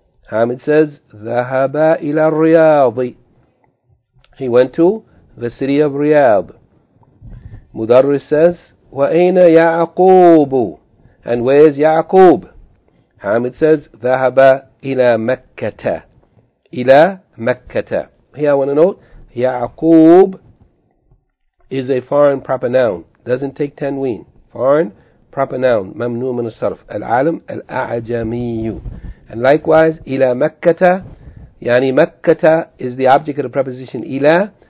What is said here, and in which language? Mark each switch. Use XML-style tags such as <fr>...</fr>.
<ar>Hamid</ar> <en>says,</en> <ar>ذهب إلى الرياض.</ar> <en>He went to the city of Riyadh. Mudarris says,</en> <ar>وأين يعقوب?</ar> <en>And where is يعقوب?</en> <ar>Hamid says, ذهب إلى مكة. إلى مكة.</ar> <en>Here I want to note, يعقوب is a foreign proper noun. Doesn't take تنوين. Foreign proper noun.</en> <ar>ممنوع من الصرف. العالم الأعجمي.</ar> <en>And likewise,</en> <ar>إلى مكة.</ar> <en>يعني مكة is the object of the preposition إلى.</en>